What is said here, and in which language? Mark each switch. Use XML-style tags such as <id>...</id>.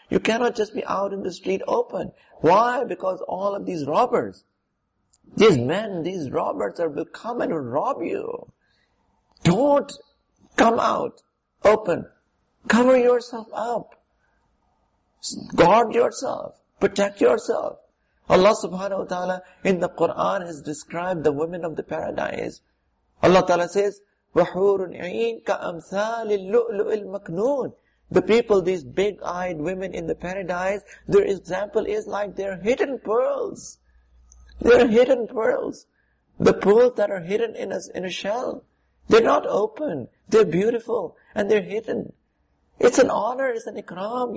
<en>You cannot just be out in the street open. Why? Because all of these robbers, these men, these robbers will come and rob you. Don't come out open. Cover yourself up. Guard yourself. Protect yourself. Allah subhanahu wa ta'ala in the Quran has described the women of the paradise. Allah ta'ala says,</en> <ar>وَحُورٌ عِينٌ كَأَمْثَالِ اللُّؤْلُؤِ الْمَكْنُونَ.</ar> <en>The people, these big-eyed women in the paradise, their example is like their hidden pearls. They're hidden pearls. The pearls that are hidden in a shell. They're not open. They're beautiful. And they're hidden. It's an honor. It's an ikram.</en>